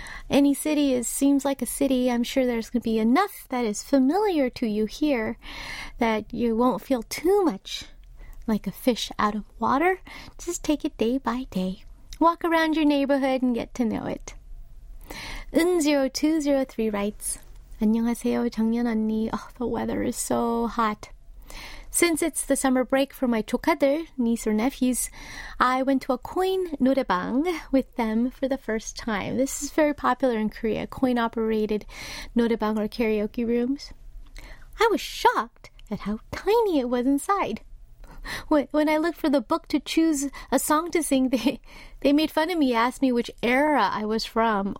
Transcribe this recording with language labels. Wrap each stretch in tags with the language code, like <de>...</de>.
<en>Any city seems like a city. I'm sure there's going to be enough that is familiar to you here that you won't feel too much like a fish out of water. Just take it day by day. Walk around your neighborhood and get to know it.</en> <ko>Un0203</ko> <en>writes,</en> <ko>안녕하세요, 정연 언니.</ko> <en>Oh, the weather is so hot. Since it's the summer break for my</en> <ko>조카들,</ko> <en>niece or nephews, I went to a coin 노래방 with them for the first time. This is very popular in Korea, coin-operated 노래방 or karaoke rooms. I was shocked at how tiny it was inside. When I looked for the book to choose a song to sing, they made fun of me, asked me which era I was from.</en>